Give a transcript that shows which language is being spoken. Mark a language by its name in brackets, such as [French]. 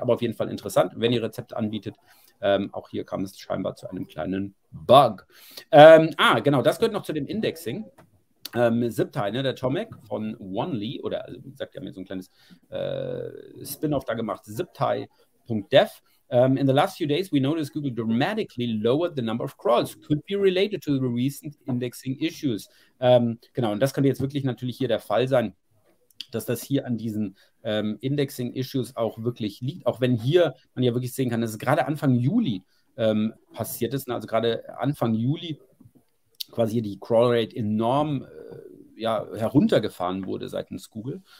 [German] Aber auf jeden Fall interessant, wenn ihr Rezepte anbietet. Auch hier kam es scheinbar zu einem kleinen Bug. Genau, das gehört noch zu dem Indexing. ZipTie, ne, der Tomek von Onely, oder also, wie gesagt, die haben jetzt so ein kleines Spin-off da gemacht, ZipTie.dev. [English] In the last few days, we noticed Google dramatically lowered the number of crawls. Could be related to the recent indexing issues. [German] Genau, und das könnte jetzt wirklich natürlich hier der Fall sein, dass das hier an diesen Indexing-Issues auch wirklich liegt. Auch wenn hier man ja wirklich sehen kann, dass es gerade Anfang Juli passiert ist, ne, also gerade Anfang Juli quasi hier die Crawlrate enorm ja, heruntergefahren wurde seitens Google.